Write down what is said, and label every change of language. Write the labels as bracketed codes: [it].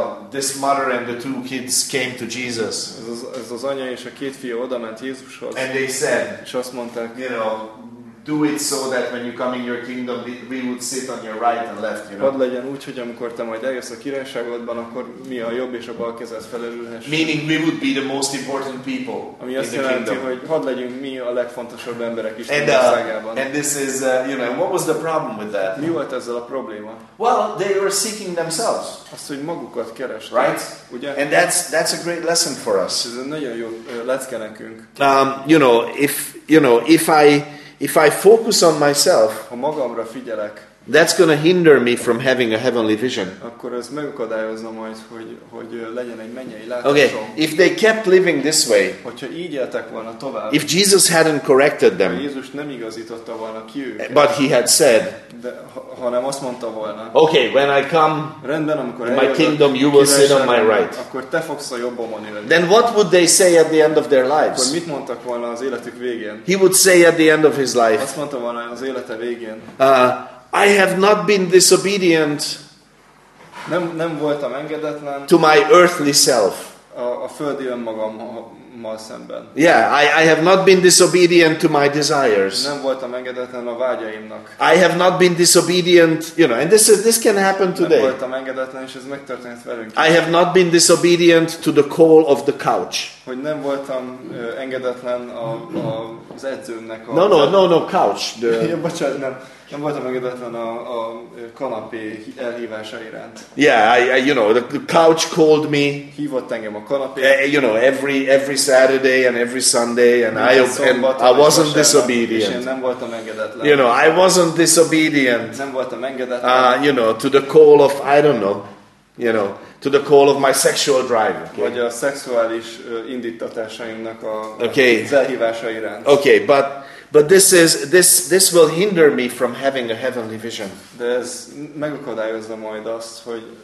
[en] This mother and the two kids came to Jesus. [hu] Ez az anya és a két fia odament Jézushoz. [en] And they said, [hu] és azt mondták, [en] you know, do it so that when you come in your kingdom, we would sit on your right and left. You know. [hu] Hadd legyen úgy, hogy amikor te majd eljössz a királyságodban, akkor mi a jobb és a bal kezed felelülhess. [en] Meaning we would be the most important people. [hu] Ami azt jelenti, hogy hadd legyünk mi a legfontosabb emberek is a királyságban. [en] And this is, you know, what was the problem with that? [hu] Mi volt ezzel a probléma? [en] Well, they were seeking themselves. [hu] Azt, hogy magukat keresték. [en] Right? [hu] Ugye? [en] And that's a great lesson for us. [hu] Ez egy nagyon jó lecke nekünk. [en] If I focus on myself, [hu] ha magamra figyelek, [en] that's going to hinder me from having a heavenly vision. [hu] Akkor ez megakadályozna majd, hogy legyen egy mennyei látásom. [en] Okay, if they kept living this way, [hu] hogyha így éltek volna tovább, [en] if Jesus hadn't corrected them, [hu] ha Jézus nem igazította volna ki őket, [en] but he had said, [hu] de, hanem azt mondta volna, [en] okay, when I come, [hu] rendben, amikor [en] in my kingdom, you will sit on my right. [hu] Akkor te fogsz a jobbomon ülni. [en] Then what would they say at the end of their lives? [hu] Akkor mit mondtak volna az életük végén? [en] He would say at the end of his life, [hu] azt mondta volna az élete végén, [en] I have not been disobedient. [hu] Nem voltam engedetlen. [en] To my earthly self. [hu] A földi önmagamhoz. mal szemben. [en] Yeah, I have not been disobedient to my desires. [hu] Nem voltam engedetlen a vágyaimnak. [en] I have not been disobedient, you know, and this can happen today. [hu] Nem voltam engedetlen, és ez megtörténhet velünk. [en] I have not been disobedient to the call of the couch. [hu] Hogy nem voltam engedetlen az edzőmnek a... [en] No, couch. [hu] Nem voltam engedetlen a kanapé elhívása iránt. [en] Yeah, I, you know, the couch called me. [hu] Hívott engem a kanapé. [en] You know, every Saturday and every Sunday, and I wasn't disobedient. [hu] És én nem voltam engedetlen. [en] You know, I wasn't disobedient. [hu] Nem voltam engedetlen. [en] You know, to the call of, I don't know, you know, to the call of my sexual drive. Okay? [hu] Vagy a szexuális indítatásaimnak az elhívása iránt. [en] Okay, but this will hinder me from having a heavenly vision. [hu] De ez megakadályozza majd azt, hogy